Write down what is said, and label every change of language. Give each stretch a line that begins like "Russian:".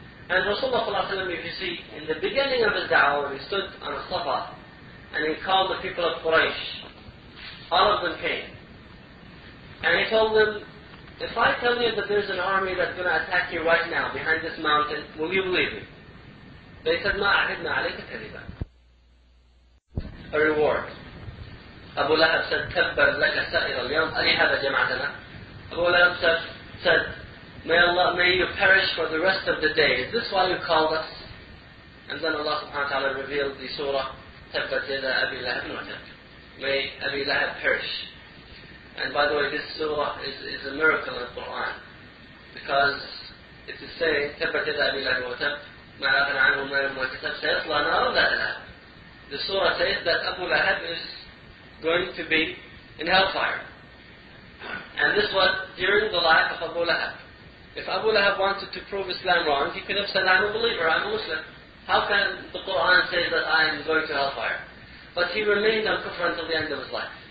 English: And Rasulullah sallallahu alayhi wa sallam, if you see, in the beginning of his da'wah, when he stood on a safa, and he called the people of Quraysh, all of them came. And he told them, if I tell you that there's an army that's going to attack you right now, behind this mountain, will you believe me? They said,
Arabic: ما أعدنا عليك كذبا.
English: A reward. Abu Lahab said,
Arabic: تَبَّرْ لَكَ سَائِرَ الْيَوْمِ أَلِهَذَا جَمَعْتَنَا.
English: Abu Lahab said, may Allah, may you perish for the rest of the day. Is this why you called us? And then Allah subhanahu wa ta'ala revealed the surah,
Arabic: تَبَّتْ يَدَا أَبِي لَهَبٍ وَتَبْ.
English: May Abi Lahab perish. And by the way, this surah is a miracle in the Quran. Because it is saying,
Arabic: تَبَّتْ يَدَا أَبِي لَهَبٍ وَتَبْ. مَا أَغْنَ عَنْهُ مَالٌ وَكَسَبْ سَيَصْلَى نَارًا ذَاتَ لَهَبٍ.
English: The surah says that Abu Lahab is going to be in hellfire. And this was during the life of Abu Lahab. If Abu Lahab wanted to prove Islam wrong, he could have said, I'm a believer, I'm a Muslim. How can the Quran say that I am going to hellfire? But he remained on kufr until the end of his life.